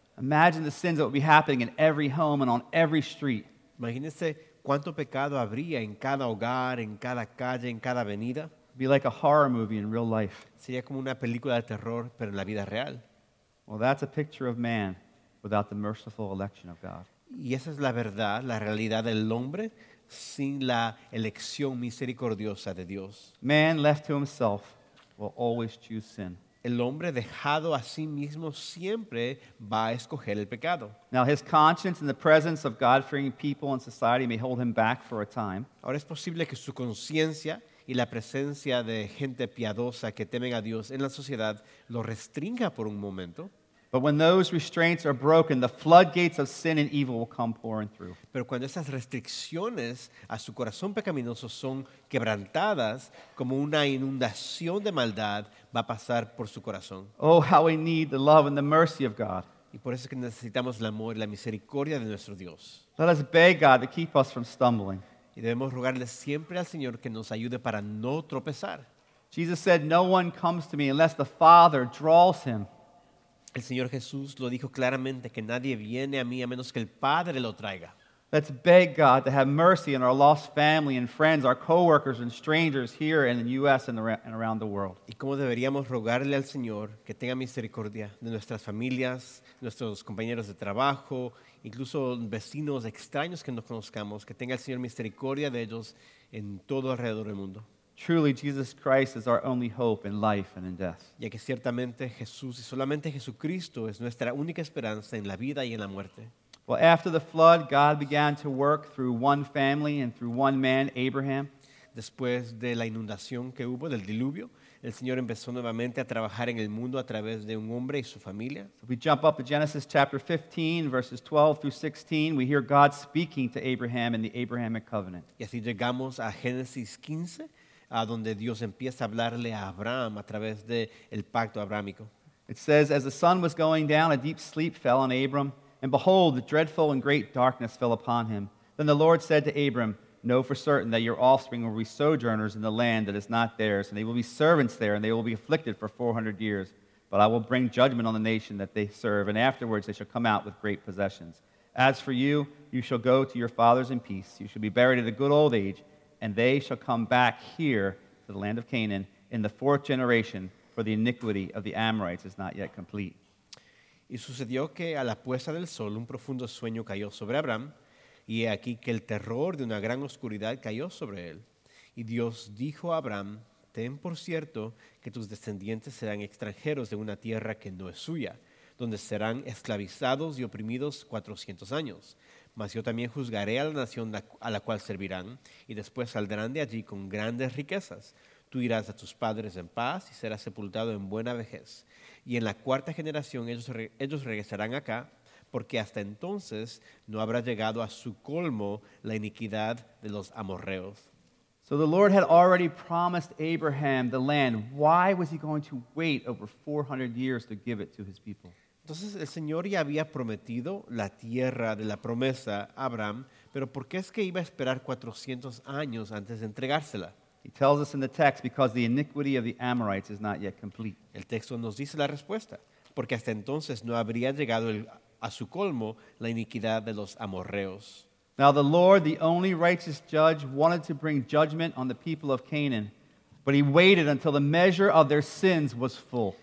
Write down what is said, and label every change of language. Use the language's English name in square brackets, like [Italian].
[English] Imagine the sins that would be happening in every home and on every street. [Spanish] Imagínense cuánto pecado habría en cada hogar, en cada calle, en cada avenida. [English] It'd be like a horror movie in real life. [Spanish] Sería como una película de terror, pero en la vida real. [English] Well, that's a picture of man without the merciful election of God. [Spanish] Y esa es la verdad, la realidad del hombre sin la elección misericordiosa de Dios. [English] Man left to himself will always choose sin. [Spanish] El hombre dejado a sí mismo siempre va a escoger el pecado. [English] Now, his conscience in the presence of God-fearing people and society may hold him back for a time. [Spanish] Ahora es posible que su conciencia y la presencia de gente piadosa que temen a Dios en la sociedad lo restrinja por un momento. [English] But when those restraints are broken, the floodgates of sin and evil will come pouring through. [Spanish] Pero cuando esas restricciones a su corazón pecaminoso son quebrantadas, como una inundación de maldad va a pasar por su corazón. [English] Oh, how we need the love and the mercy of God. [Spanish] Y por eso es que necesitamos el amor y la misericordia de nuestro Dios. [English] Let us beg God to keep us from stumbling. [Spanish] Y debemos rogarle siempre al Señor que nos ayude para no tropezar. [English] Jesus said, no one comes to me unless the Father draws him. [Spanish] El Señor Jesús lo dijo claramente, que nadie viene a mí a menos que el Padre lo traiga. [English] Let's beg God to have mercy on our lost family and friends, our coworkers and strangers here in the U.S. and around the world. [Spanish] ¿Y cómo deberíamos rogarle al Señor que tenga misericordia de nuestras familias, nuestros compañeros de trabajo, incluso vecinos extraños que no conozcamos, que tenga el Señor misericordia de ellos en todo alrededor del mundo? [English] Truly, Jesus Christ is our only hope in life and in death. [Spanish] Ya que ciertamente Jesús y solamente Jesucristo es nuestra única esperanza en la vida y en la muerte. [English] Well, after the flood, God began to work through one family and through one man, Abraham. [Spanish] Después de la inundación que hubo, del diluvio, el Señor empezó nuevamente a trabajar en el mundo a través de un hombre y su familia. [English] So we jump up to Genesis chapter 15, verses 12 through 16. We hear God speaking to Abraham in the Abrahamic covenant. [Spanish] Y así llegamos a Génesis 15, a donde Dios empieza a hablarle a Abraham a través del pacto abrámico. [English] It says, as the sun was going down, a deep sleep fell on Abram. And behold, the dreadful and great darkness fell upon him. Then the Lord said to Abram, know for certain that your offspring will be sojourners in the land that is not theirs, and they will be servants there, and they will be afflicted for 400 years. But I will bring judgment on the nation that they serve, and afterwards they shall come out with great possessions. As for you, you shall go to your fathers in peace. You shall be buried at a good old age, and they shall come back here to the land of Canaan in the fourth generation, for the iniquity of the Amorites is not yet complete. [Spanish] Y sucedió que a la puesta del sol un profundo sueño cayó sobre Abraham, y he aquí que el terror de una gran oscuridad cayó sobre él. Y Dios dijo a Abraham, ten por cierto que tus descendientes serán extranjeros de una tierra que no es suya, donde serán esclavizados y oprimidos 400 años. Mas yo también juzgaré a la nación a la cual servirán, y después saldrán de allí con grandes riquezas. Tú irás a tus padres en paz y serás sepultado en buena vejez. Y en la cuarta generación ellos regresarán acá, porque hasta entonces no habrá llegado a su colmo la iniquidad de los amorreos. [English] So the Lord had already promised Abraham the land. Why was he going to wait over 400 years to give it to his people? [Spanish] Entonces el Señor ya había prometido la tierra de la promesa a Abraham, pero ¿por qué es que iba a esperar 400 años antes de entregársela? [English] He tells us in the text, because the iniquity of the Amorites is not yet complete. [Spanish] El texto nos dice la respuesta, porque hasta entonces no habría llegado a su colmo la iniquidad de los amorreos. [English] Now the Lord, the only righteous judge, wanted to bring judgment on the people of Canaan, but he waited until the measure of their sins was full.